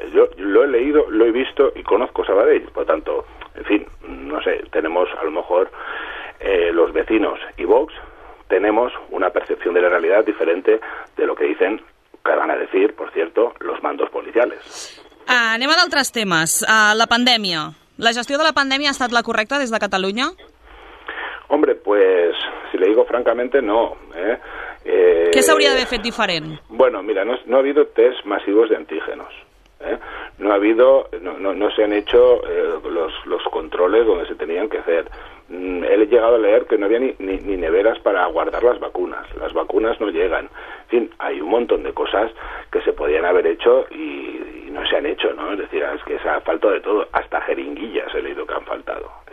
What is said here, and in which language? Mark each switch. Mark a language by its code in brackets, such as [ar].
[es] Yo lo he leído, lo he visto y conozco Sabadell. Por lo tanto, en fin, no sé, tenemos a lo mejor los vecinos y Vox, tenemos una percepción de la realidad diferente de lo que dicen, que van a decir, por cierto, los mandos policiales. [ca] Anem a d'altres temes. La pandèmia. ¿La gestió de la pandèmia ha estat la correcta des de Catalunya? [es] Hombre, pues, si le digo francamente, no. [ca] ¿Qué s'hauria d'haver fet diferent? [es] Bueno, mira, no ha habido test masivos de antígenos. No se han hecho los controles donde se tenían que hacer. He llegado a leer que no había ni neveras para guardar las vacunas no llegan. En fin, hay un montón de cosas que se podían haber hecho y no se han hecho, ¿no? Es decir, es que se ha faltado de todo, hasta jeringuillas he leído que han faltado.